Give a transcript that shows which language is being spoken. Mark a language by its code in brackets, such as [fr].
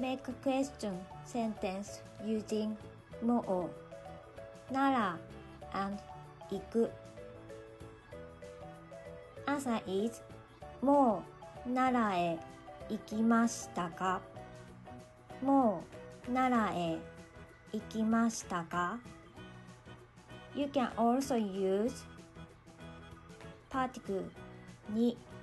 [en] Make a question sentence using もう、なら、and 行く。 Answer is [ja] もう、奈良へ行きましたか？もう、奈良へ行きましたか？ [en] You can also use particle に